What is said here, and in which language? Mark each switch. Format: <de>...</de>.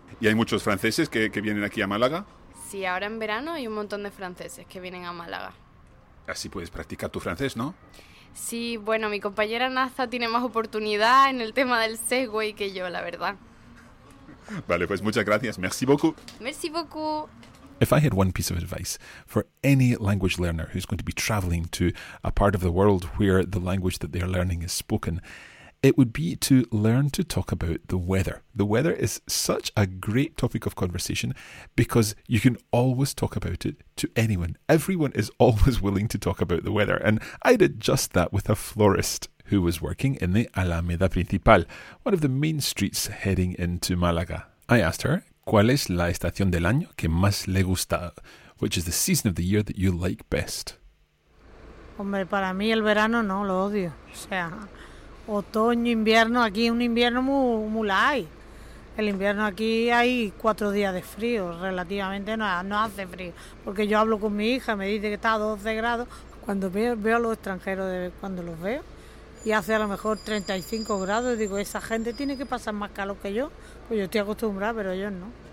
<es>¿Y hay muchos franceses que vienen aquí a Málaga? Sí, ahora en verano hay un montón de franceses que vienen a Málaga. Así puedes practicar tu francés, ¿no? Sí, bueno, mi compañera Natha tiene más oportunidad en el tema del Segway que yo, la verdad. Vale, pues muchas gracias.</es> <fr>Merci beaucoup. Merci beaucoup.</fr> <en>If I had one piece of advice for any language learner who's going to be traveling to a part of the world where the language that they're learning is spoken, it would be to learn to talk about the weather. The weather is such a great topic of conversation because you can always talk about it to anyone. Everyone is always willing to talk about the weather. And I did just that with a florist who was working in the Alameda Principal, one of the main streets heading into Málaga. I asked her,</en> <es>¿cuál es la estación del año que más le gusta?</es> <en>Which is the season of the year that you like best?</en> <es>Hombre, para mí el verano no, lo odio. O sea, otoño, invierno, aquí un invierno muy light. El invierno aquí hay 4 días de frío, relativamente no hace frío. Porque yo hablo con mi hija, me dice que está a 12 grados, cuando veo a los extranjeros, cuando los veo, y hace a lo mejor 35 grados, digo, esa gente tiene que pasar más calor que yo, pues yo estoy acostumbrada, pero ellos no.</es>